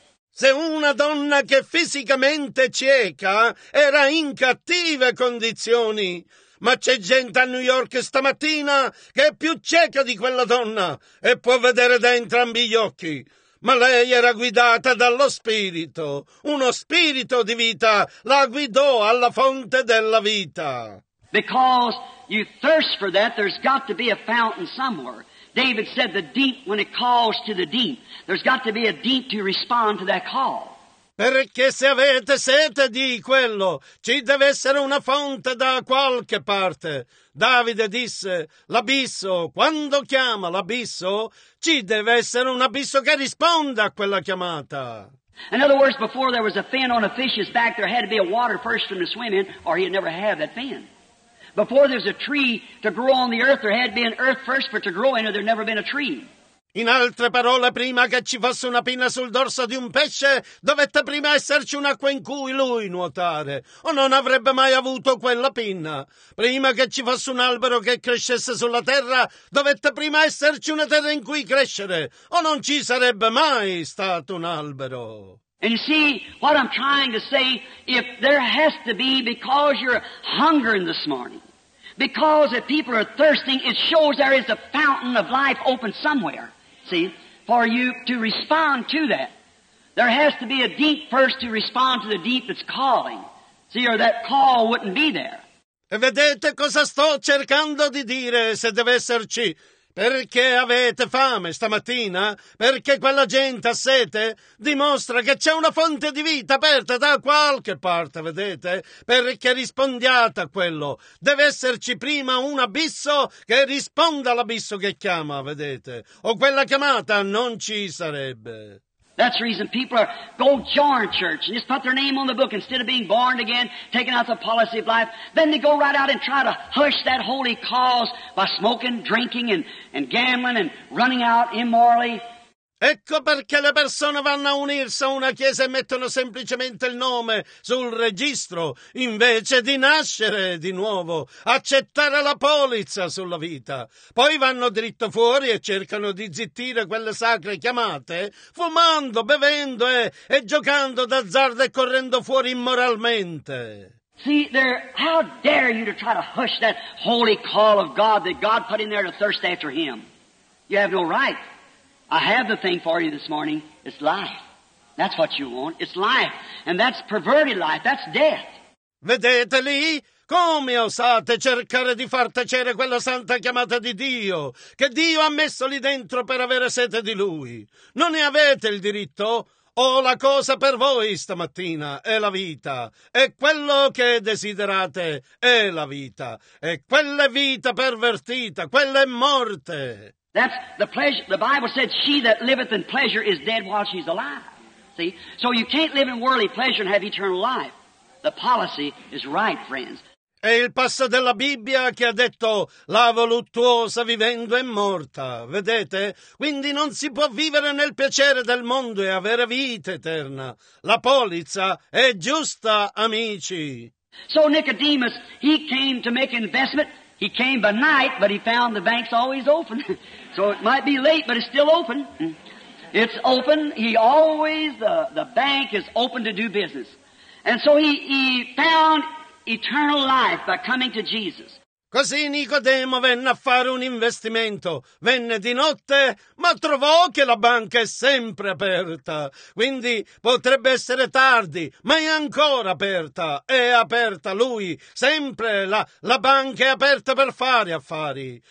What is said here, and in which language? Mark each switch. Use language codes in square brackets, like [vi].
[it] Se una donna che fisicamente cieca era in cattive condizioni, ma c'è gente a New York stamattina che è più cieca di quella donna e può vedere da entrambi gli occhi. Ma lei era guidata dallo Spirito. Uno Spirito di vita la guidò alla fonte della vita. [en] Because you thirst for that, there's got to be a fountain somewhere. David said, the deep, when it calls to the deep, there's got to be a deep to respond to that call. [it] Perché se avete sete di quello, ci deve essere una fonte da qualche parte. Davide disse, l'abisso, quando chiama l'abisso, ci deve essere un abisso che risponda a quella chiamata. [en] In other words, before there was a fin on a fish's back, there had to be a water first for him to swim in, or he'd never have that fin. Before there's a tree to grow on the earth, there had to be an earth first for it to grow in, or there'd never been a tree. [it] In altre parole, prima che ci fosse una pinna sul dorso di un pesce, dovette prima esserci un'acqua in cui lui nuotare, o non avrebbe mai avuto quella pinna. Prima che ci fosse un albero che crescesse sulla terra, dovette prima esserci una terra in cui crescere, o non ci sarebbe mai stato un albero. [en] And you see, what I'm trying to say, if there has to be, because you're hungering this morning, because if people are thirsting, it shows there is a fountain of life open somewhere, see, for you to respond to that. There has to be a deep first to respond to the deep that's calling, see, or that call wouldn't be there. [it] E vedete cosa sto cercando di dire, se deve esserci. Perché avete fame stamattina? Perché quella gente ha sete? Dimostra che c'è una fonte di vita aperta da qualche parte, vedete? Perché rispondiate a quello. Deve esserci prima un abisso che risponda all'abisso che chiama, vedete? O quella chiamata non ci sarebbe. [en] That's the reason people are go join church and just put their name on the book instead of being born again, taking out the policy of life. Then they go right out and try to hush that holy cause by smoking, drinking and gambling and running out immorally. [it] Ecco perché le persone vanno a unirsi a una chiesa e mettono semplicemente il nome sul registro, invece di nascere di nuovo, accettare la polizza sulla vita. Poi vanno dritto fuori e cercano di zittire quelle sacre chiamate, fumando, bevendo e giocando d'azzardo e correndo fuori immoralmente. [en] See, there, how dare you to try to hush that holy call of God that God put in there to thirst after Him? You have no right. I have the thing for you this morning. It's life. That's what you want. It's life. And that's perverted life. That's death. [it] Vedete lì? Come osate cercare di far tacere quella santa chiamata di Dio, che Dio ha messo lì dentro per avere sete di Lui? Non ne avete il diritto? Ho la cosa per voi stamattina, è la vita. E quello che desiderate è la vita. E quella è vita pervertita, quella è morte. [en] That's the pleasure. The Bible said, she that liveth in pleasure is dead while she's alive. See? So you can't live in worldly pleasure and have eternal life. The policy is right, friends. [it] È il passo della Bibbia che ha detto, la voluttuosa vivendo è morta. Vedete? Quindi non si può vivere nel piacere del mondo e avere vita eterna. La polizza è giusta, amici. [en] So Nicodemus, he came to make investment. He came by night, but he found the bank's always open. So it might be late, but it's still open. It's open. He always, the bank is open to do business. And so he found eternal life by coming to Jesus. [it] Così Nicodemo venne a fare un investimento. Venne di notte, ma trovò che la banca è sempre aperta. Quindi potrebbe essere tardi, ma è ancora aperta. È aperta lui. Sempre la banca è aperta per fare affari.